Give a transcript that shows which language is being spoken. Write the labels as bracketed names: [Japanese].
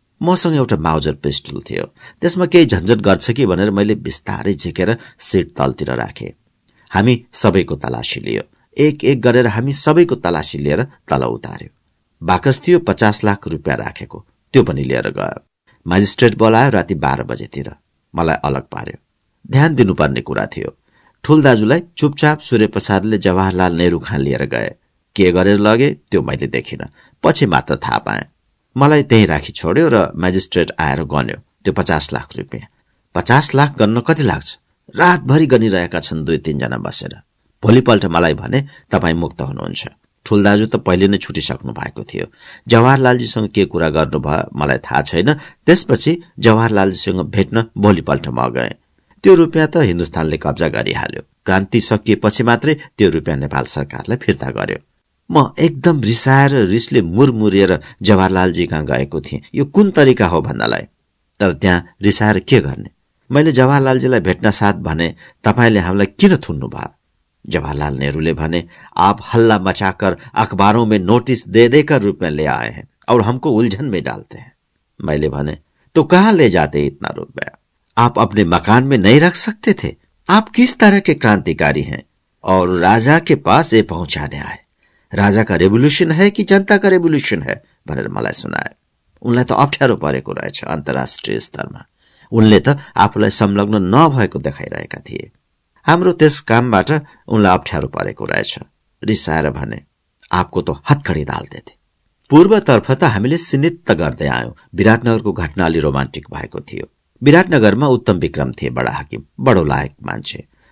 [Nepali] मसँग एउटा Mauser pistol थियो, त्यसमा केही झन्झट गर्छ कि भनेर मैले बिस्तारै झिकेर सिट तलतिर राखे। हामी सबैको तलासी लियो, एक एक गरेर हामी सबैको तलासी लिएर तल उतार्यो। बाकस थियो 50 लाख रुपियाँ राखेको, त्यो पनि लिएर गयो। मजिस्ट्रेट बोलायो राति 12 बजेतिर, मलाई अलग पार्यो, ध्यान दिनुपर्ने कुरा थियो। ठुल दाजुलाई चुपचाप सूर्य प्रसादले जवाहरलाल नेहरू खान लिएर गए, के गरेर लगे त्यो मैले देखिनँ, पछि मात्र थाहा पाएँ। मलाई त्यहीँ राखी छोड्यो र मजिस्ट्रेट आएर गन्यो त्यो 50 लाख रुपियाँ। 50 लाख गर्न कति लाग्छ? रातभरि गनिरहेका छन् 2-3 जना बसेर। भोलिपल्ट मलाई भने तपाईँ मुक्त हुनुहुन्छ, ठूल दाजु त पहिले नै छुटिसक्नु भएको थियो। जवाहरलालजीसँग के कुरा गर्नुभयो मलाई थाहा छैन। त्यसपछि जवाहरलालजीसँग भेट्न भोलिपल्ट म गए। त्यो रुपियाँ त हिन्दुस्तानले कब्जा गरिहाल्यो। क्रान्ति सकिएपछि मात्रै त्यो रुपियाँ नेपाल सरकारलाई फिर्ता गर्यो। म एकदम रिसाएर रिसले मुरमुरिएर जवाहरलालजी कहाँ गएको थिएँ। यो कुन तरिका हो भन्नलाई? तर त्यहाँ रिसाएर के गर्ने? मैले जवाहरलालजीलाई भेट्न साथ भने तपाईँले हामीलाई किन थुन्नु भयो? [Hindi] जवाहरलाल नेहरूले भने, आप हल्ला मचाकर अखबारों में नोटिस दे देकर रूप में ले आए हैं और हमको उलझन में डालते हैं। [Nepali] मैले भने, [Hindi] तो कहाँ ले जाते इतना रुपया? आप अपने मकान में नहीं रख सकते थे? आप किस तरह के क्रांतिकारी हैं और राजा के पास ये पहुंचाने आए? राजा का रेवोल्यूशन है कि जनता का रेवोल्यूशन है [Nepali] भनेर मलाई सुनाए। उनलाई त अप्ठ्यारो परेको रहेछ अन्तर्राष्ट्रिय स्तरमा। उनले त आफूलाई संलग्न नभएको देखाइरहेका थिए। हाम्रो त्यस कामबाट उनलाई अप्ठ्यारो परेको रहेछ। रिसाएर भने, [Hindi] आपको त हत्खडी दाल्दैथे। [Nepali] पूर्वतर्फ त हामीले सिनित्त गर्दै आयौँ। विराटनगरको घटना अलि रोमान्टिक भएको थियो। विराटनगरमा उत्तम विक्रम थिए, बडा हकिम, बडो लायक मान्छे।